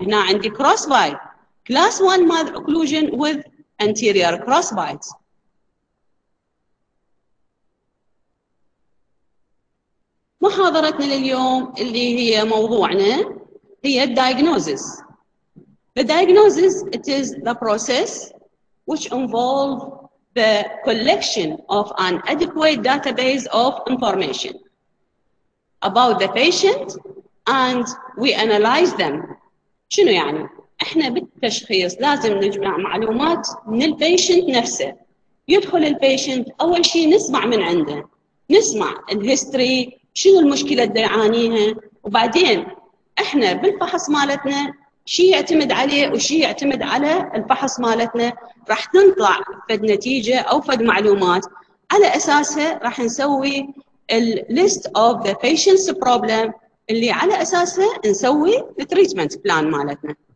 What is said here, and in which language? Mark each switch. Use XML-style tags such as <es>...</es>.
<ar>هنا عندي</ar> <en>Cross bite class 1 malocclusion with anterior cross bite.</en> <ar>محاضرتنا لليوم اللي هي موضوعنا هي الدايجنوزيس.</ar> <en>The diagnosis, it is the process which involves the collection of an adequate database of information about the patient and we analyze them.</en> <ar>شنو يعني؟ احنا بالتشخيص لازم نجمع معلومات من البيشنت نفسه. يدخل البيشنت اول شيء نسمع من عنده، نسمع الهيستوري شنو المشكلة اللي يعانيها، وبعدين احنا بالفحص مالتنا شيء يعتمد عليه وشيء يعتمد على الفحص مالتنا راح تنطلع فد نتيجة أو فد معلومات، على أساسها راح نسوي الـ</ar> <en>list of the patient's problem</en> <ar>اللي على أساسها نسوي</ar> <en>the treatment plan</en> <ar>مالتنا.</ar>